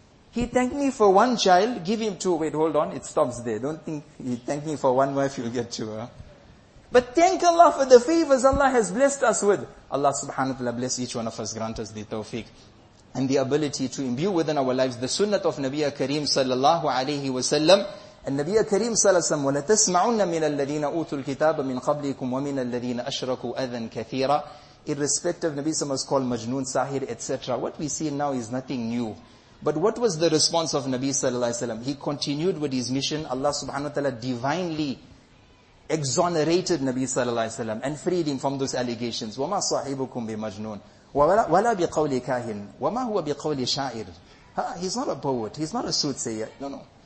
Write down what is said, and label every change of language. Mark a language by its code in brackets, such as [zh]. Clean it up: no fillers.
[en] He thanked me for one child. Give him two. Wait, hold on. It stops there. Don't think he thanked me for one wife. You'll get two. Huh? But thank Allah for the favors Allah has blessed us with. Allah subhanahu wa ta'ala bless each one of us. Grant us the tawfiq. and the ability to imbue within our lives the sunnah of Nabiya Kareem sallallahu alayhi wa sallam. [ar] And Nabiya Kareem sallallahu alayhi wa sallam, وَلَتَسْمَعُنَّ مِنَ الَّذِينَ أُوتُوا الْكِتَابَ مِنْ قَبْلِكُمْ وَمِنَ الَّذِينَ أَشْرَكُوا أَذًا كَثِيرًا. [en] Irrespective, Nabi sallallahu alayhi wa sallam was called Majnun, Sahir, etc. What we see now is nothing new. But what was the response of Nabi sallallahu alayhi wa sallam? He continued with his mission. Allah subhanahu wa ta'ala divinely exonerated Nabi sallallahu alayhi wa sallam and freed him from those allegations. [ar] وَمَا صَاحِبُكُمْ بِمَجْنُونَ وَلَا بِقَوْلِ كَاهِنْ وَمَا هُوَ بِقَوْلِ شَاعِرٍ. [en] He's not a poet. He's not a soothsayer. No, no.